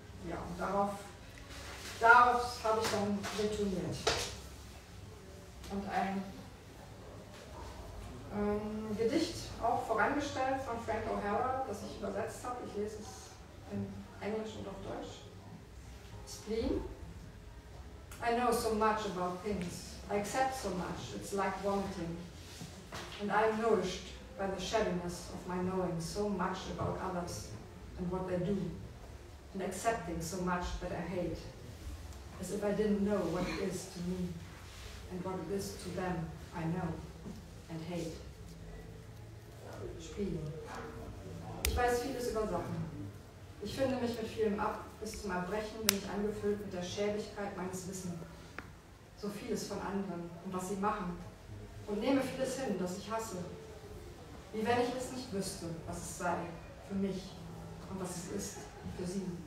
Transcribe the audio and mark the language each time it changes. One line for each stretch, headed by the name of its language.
German: Ja, und darauf habe ich dann retourniert. Und ein Gedicht auch vorangestellt von Frank O'Hara, das ich übersetzt habe. Ich lese es in Englisch und auf Deutsch.
English: Spleen. I know so much about things. I accept so much. It's like vomiting. And I am nourished by the shabbiness of my knowing so much about others and what they do. And accepting so much that I hate. As if I didn't know what it is to me. And what it is to them, I know. And hate. Spiel.
German: Ich weiß vieles über Sachen. Ich finde mich mit vielem ab. Bis zum Erbrechen bin ich angefüllt mit der Schäbigkeit meines Wissens. So vieles von anderen und was sie machen. Und nehme vieles hin, das ich hasse. Wie wenn ich es nicht wüsste, was es sei für mich und was es ist für sie.